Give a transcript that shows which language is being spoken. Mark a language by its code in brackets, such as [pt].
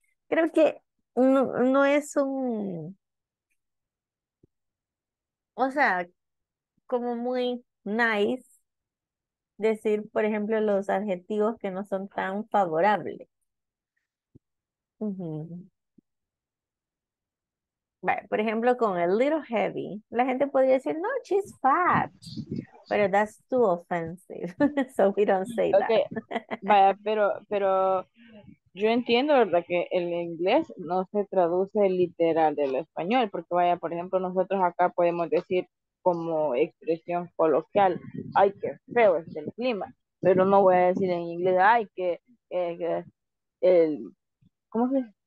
[es] Creo que no es un, o sea, como muy nice decir, por ejemplo, los adjetivos que no son tan favorables. Vale, por ejemplo, con [en] a little heavy, [es] la gente podría decir, no, [en] she's fat. [es] Pero [en] that's too offensive, so we don't say that. Okay. [es] Vaya, pero yo entiendo, ¿verdad?, que el inglés no se traduce literal del español, porque vaya, por ejemplo, nosotros acá podemos decir como expresión coloquial, ay, qué feo es el clima, pero no voy a decir en inglés, ay, que el, ¿cómo se dice?